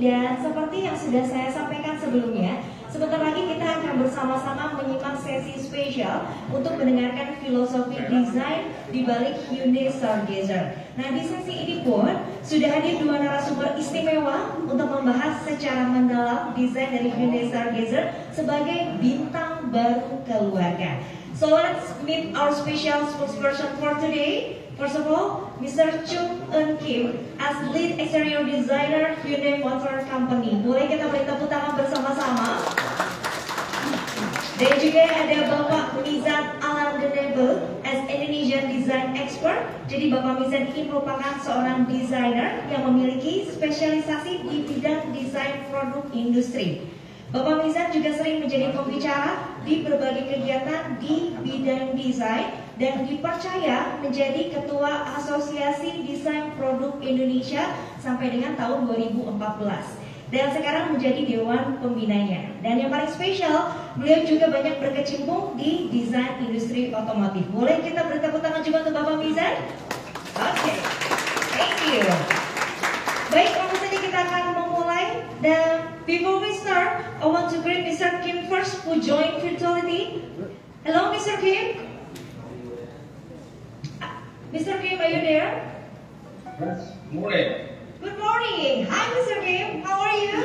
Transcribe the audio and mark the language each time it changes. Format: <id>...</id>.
<id>Dan seperti yang sudah saya sampaikan sebelumnya, sebentar lagi kita akan bersama-sama menyimak sesi spesial untuk mendengarkan filosofi desain di balik Hyundai Stargazer. Nah, di sesi ini pun sudah hadir dua narasumber istimewa untuk membahas secara mendalam desain dari Hyundai Stargazer sebagai bintang baru keluarga.</id> <en>So let's meet our special spokesperson for today. First of all, Mr. Chung Eun Kim as lead exterior designer Hyundai Motor Company.</en> <id>Boleh kita beri tepuk tangan bersama-sama. Dan juga ada Bapak Mizan Alam Gedebel</id> <en>as Indonesian design expert.</en> <id>Jadi Bapak Mizan ini merupakan seorang designer yang memiliki spesialisasi di bidang desain produk industri. Bapak Mizan juga sering menjadi pembicara di berbagai kegiatan di bidang desain dan dipercaya menjadi ketua Asosiasi Desain Produk Indonesia sampai dengan tahun 2014. Dan sekarang menjadi dewan pembinanya. Dan yang paling spesial, beliau juga banyak berkecimpung di desain industri otomotif. Boleh kita beri tepuk tangan juga untuk Bapak Mizan? Oke, okay. Thank you. Baik, langsung saja kita akan memulai.</id> <en>Dan before we start, I want to greet Mr. Kim first who joined virtually. Hello, Mr. Kim. Mr. Kim, are you there? Yes, morning. Good morning. Hi, Mr. Kim. How are you?</en>